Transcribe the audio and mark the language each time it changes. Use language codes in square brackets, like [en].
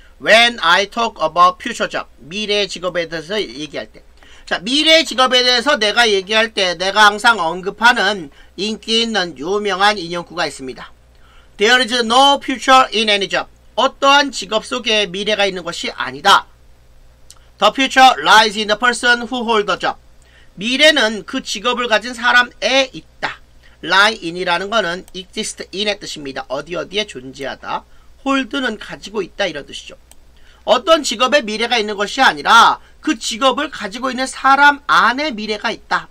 [en] When I talk about future job, [ko] 미래 직업에 대해서 얘기할 때. 자, 미래 직업에 대해서 내가 얘기할 때 내가 항상 언급하는 인기 있는 유명한 인용구가 있습니다. [en] There is no future in any job. [ko] 어떠한 직업 속에 미래가 있는 것이 아니다. [en] The future lies in the person who holds the job. [ko] 미래는 그 직업을 가진 사람에 있다. lie in이라는 거는 exist in의 뜻입니다. 어디 어디에 존재하다. hold는 가지고 있다 이런 뜻이죠. 어떤 직업에 미래가 있는 것이 아니라 그 직업을 가지고 있는 사람 안에 미래가 있다.